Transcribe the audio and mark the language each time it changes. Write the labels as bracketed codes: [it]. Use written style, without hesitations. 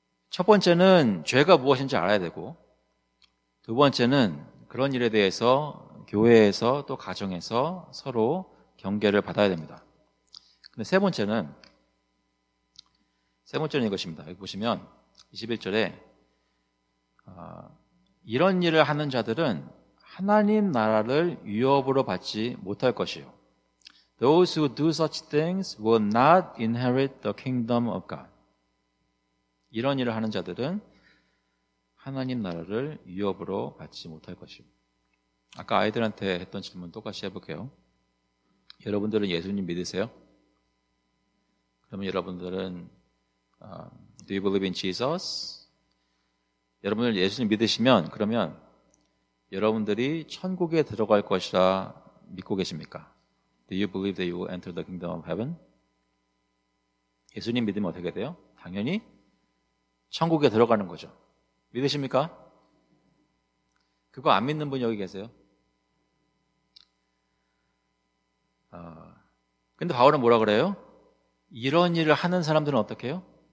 [ko] 첫 번째는 죄가 무엇인지 알아야 되고, 두 번째는 그런 일에 대해서 교회에서 또 가정에서 서로 경계를 받아야 됩니다. 근데 세 번째는 이것입니다. 여기 보시면 21절에 이런 일을 하는 자들은 하나님 나라를 위협으로 받지 못할 것이요. [en] Those who do such things will not inherit the kingdom of God. [ko] 이런 일을 하는 자들은 하나님 나라를 위협으로 받지 못할 것이요. 아까 아이들한테 했던 질문 똑같이 해볼게요. 여러분들은 예수님 믿으세요? 그러면 여러분들은 [en] Do you believe in Jesus? [ko] 여러분들 예수님 믿으시면 그러면 여러분들이 천국에 들어갈 것이라 믿고 계십니까? [en] Do you believe that you will enter the kingdom of heaven? [ko] 예수님 믿으면 어떻게 돼요? 당연히 천국에 들어가는 거죠. 믿으십니까? 그거 안 믿는 분 여기 계세요? 근데 바울은 뭐라 그래요? 이런 일을 하는 사람들은 어떻게 해요?